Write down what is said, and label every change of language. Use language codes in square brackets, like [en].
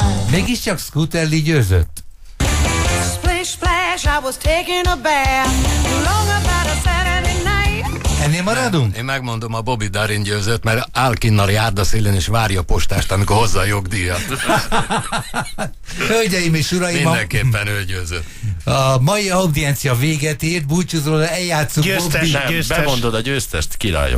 [hu] Mégiscsak Scooter Lee győzött. [en] Splish, splash, I was taking a bath long about a Saturday night. [hu] Ennél maradunk? Nem. Én megmondom, a Bobby Darin győzött, mert áll kinn a járda szélén és várja a postást, amikor hozza a jogdíjat. Hölgyeim és uraim, mindenképpen ő győzött. A mai audiencia véget ért, búcsúzol, eljátszunk. Győztes, Bobby. Nem, bemondod a győztest, királyom.